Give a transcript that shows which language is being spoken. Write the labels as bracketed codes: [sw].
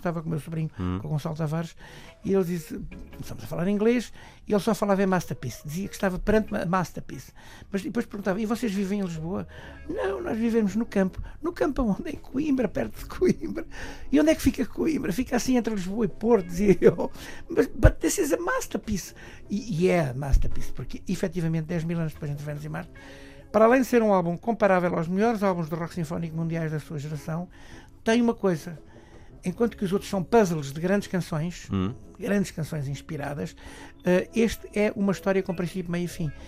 [pt] Eu estava com o meu sobrinho, com o Gonçalo Tavares, e ele disse: estamos a falar inglês, e ele só falava em masterpiece. Dizia que estava perante masterpiece. Mas depois perguntava: e vocês vivem em Lisboa? Não, nós vivemos no campo. No campo aonde? Em Coimbra, perto de Coimbra. E onde é que fica Coimbra? Fica assim entre Lisboa e Porto, dizia eu. Mas [en] this is a masterpiece. [pt] E é a masterpiece, porque efetivamente 10 mil anos depois entre Vênus e Marte, para além de ser um álbum comparável aos melhores álbuns de rock sinfónico mundiais da sua geração, tem uma coisa. Enquanto que os outros são puzzles de grandes canções, grandes canções inspiradas, este é uma história com princípio, meio e fim.